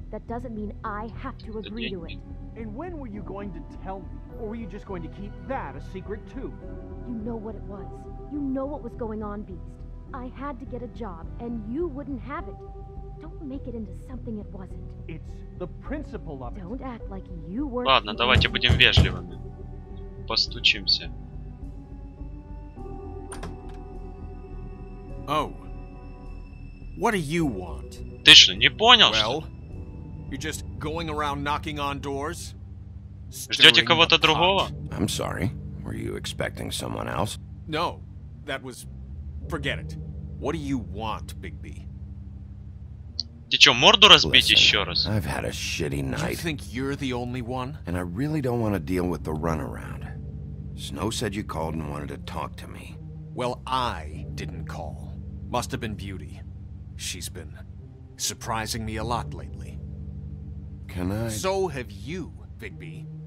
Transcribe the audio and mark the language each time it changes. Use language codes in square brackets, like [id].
[en] That doesn't mean I have to agree to it. And when were you going to tell me? Or were you just going to keep that a secret too? You know what it was. You know what was going on, Beast. I had to get a job, and you wouldn't have it. Don't make it into something it wasn't. It's the principle of it. Don't act like you were. [ru] Ладно, давайте будем вежливыми. Постучимся. [en] Oh. What do you want? [ru] Ты что, не понял, [en] well, [ru] что? [en] You're just going around knocking on doors? [ru] Ждёте кого-то другого? [en] I'm sorry. Were you expecting someone else? No. That was forget it. What do you want, Bigby? [ru] Ты чё, морду разбить ещё раз? [en] I've had a shitty night. You think you're the only one? And I really don't want to deal with the runaround. Snow said you called and wanted to talk to me. Well, I didn't call. Must have been Beauty. She's been surprising me a lot lately. Can I? So have you, Bigby.